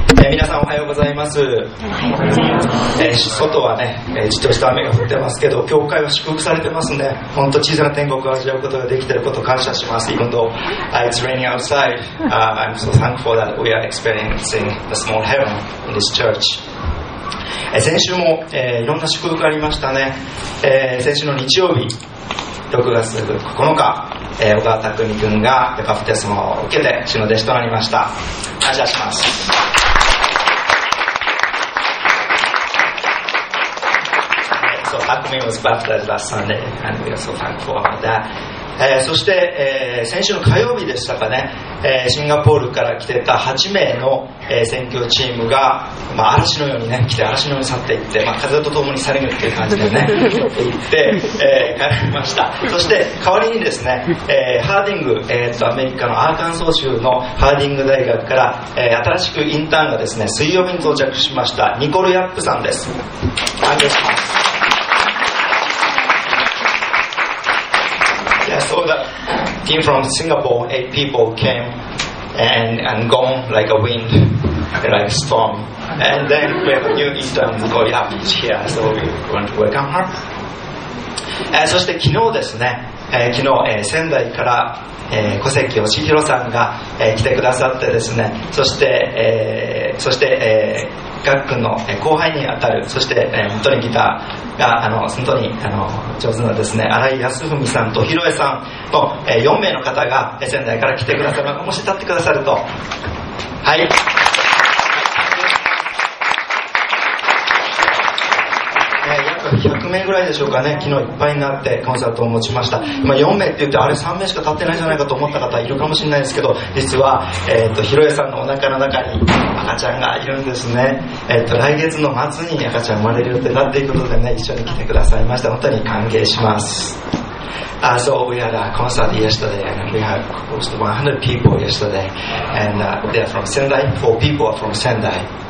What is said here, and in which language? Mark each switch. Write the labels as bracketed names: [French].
[Japanese] 皆さんおはようございます。外はね、じっとした雨が降ってますけど、教会は祝福されてますね。本当小さな天国を味わうことができていることを感謝します。 [English] Even though it's raining outside、I'm so thankful that we are experiencing the small heaven in this church。 [Japanese] 先週も、いろんな祝福ありましたね。先週の日曜日6月9日、小川拓海君がバプテスマを受けて主の弟子となりました。感謝します。 [English] So, Takumi was baptized last Sunday and we are so thankful for that。 [Japanese] そして、先週の火曜日でしたかね、シンガポールから来てた8名の、選挙チームが、まあ、嵐のようにね来て、嵐のように去っていって、まあ、風とともに去りぬっていう感じでね行って、帰りました。そして代わりにですね、ハーディング、アメリカのアーカンソー州のハーディング大学から、新しくインターンがですね水曜日に到着しました。ニコル・ヤップさんです。歓迎します。 [English] So the team from Singapore, 8 people came and gone like a wind, like a storm. And then we have a new intern, Nicole Yap, is here, so we want to welcome her. [Japanese] そして昨日ですね、昨日、仙台から、古関義弘さんが、来てくださってですね、そして、ガック君の後輩にあたる、そして、本当にギターが本当に上手なですね、新井康文さんと広江さんの、4名の方が仙台から来てくださる、もし立ってくださると、はい。 100名ぐらいでしょうかね、昨日いっぱいになってコンサートを持ちました。今4名って言って、あれ3名しか立ってないじゃないかと思った方いるかもしれないですけど、実は、ひろえさんのお腹の中に赤ちゃんがいるんですね。来月の末に赤ちゃん生まれる予定だっていうことでね、一緒に来てくださいました。本当に歓迎します。 [English] So we had a concert yesterday and we had close to 100 people yesterday and、they are from Sendai, 4 people are from Sendai.